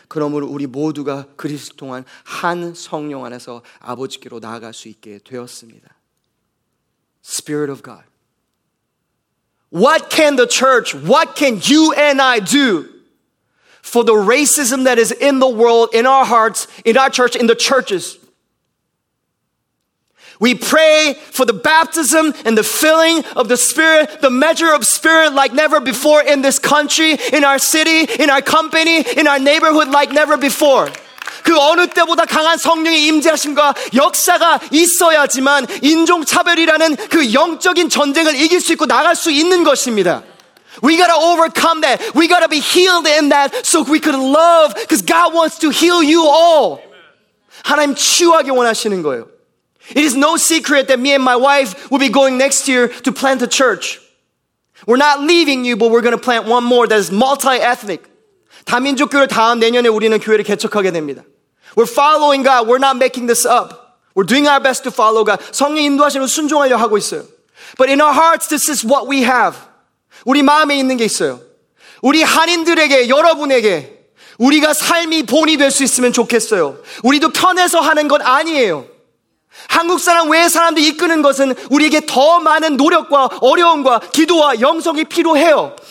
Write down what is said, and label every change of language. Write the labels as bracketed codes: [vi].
[ko] 그러므로 우리 모두가 그리스도 통한 한 성령 안에서 아버지께로 나아갈 수 있게 되었습니다. [en] Spirit of God. What can the church, what can you and I do for the racism that is in the world, in our hearts, in our church, in the churches? We pray for the baptism and the filling of the Spirit, the measure of Spirit like never before in this country, in our city, in our company, in our neighborhood like never before. [ko] 그 어느 때보다 강한 성령의 임재하심과 역사가 있어야지만 인종차별이라는 그 영적인 전쟁을 이길 수 있고 나갈 수 있는 것입니다. [en] We gotta overcome that. We gotta be healed in that so we could love. Because God wants to heal you all. [ko] 하나님 치유하기 원하시는 거예요. [en] It is no secret that me and my wife will be going next year to plant a church. We're not leaving you, but we're gonna plant one more that is multi-ethnic. [ko] 다민족 교회 다음 내년에 우리는 교회를 개척하게 됩니다. [en] We're following God. We're not making this up. We're doing our best to follow God. [ko] 성령 인도하시는 순종하려 하고 있어요. [en] But in our hearts, this is what we have. [ko] 우리 마음에 있는 게 있어요. 우리 한인들에게, 여러분에게 우리가 삶이 본이 될 수 있으면 좋겠어요. 우리도 편해서 하는 건 아니에요. 한국 사람 외의 사람들 이끄는 것은 우리에게 더 많은 노력과 어려움과 기도와 영성이 필요해요.